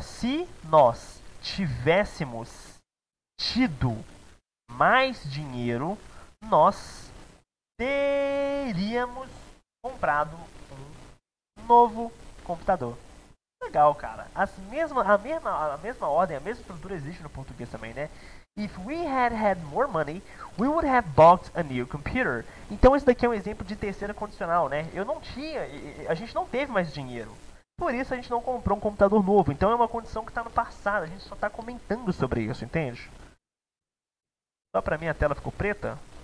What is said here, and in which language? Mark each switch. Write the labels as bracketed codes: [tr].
[pt] Se nós tivéssemos tido mais dinheiro, nós teríamos comprado um novo computador. Legal, cara. A mesma ordem, a mesma estrutura existe no português também, né? [en] If we had more money, we would have bought a new computer. [pt] Então, esse daqui é um exemplo de terceira condicional, né? Eu não tinha, a gente não teve mais dinheiro. Por isso, a gente não comprou um computador novo. Então, é uma condição que está no passado. A gente só está comentando sobre isso, entende? Só pra mim a tela ficou preta?